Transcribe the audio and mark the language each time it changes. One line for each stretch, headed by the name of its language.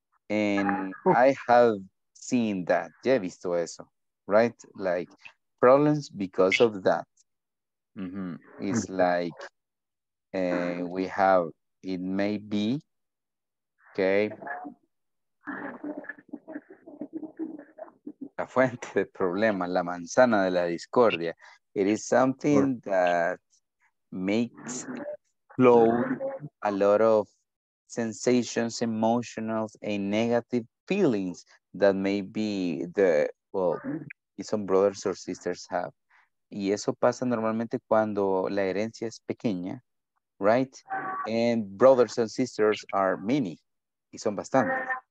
English: And I have seen that.
Spanish: Ya he visto eso,
English: right? Like problems because of that. Mm-hmm. It's like, we have, it may be, okay.
Spanish: La fuente de problemas, la manzana de la discordia.
English: It is something that makes flow a lot of sensations, emotionals, and negative feelings that may be the, well, some brothers or sisters have.
Spanish: Y eso pasa normalmente cuando la herencia es pequeña.
English: Right? And brothers and sisters are many.
Spanish: Y son bastantes.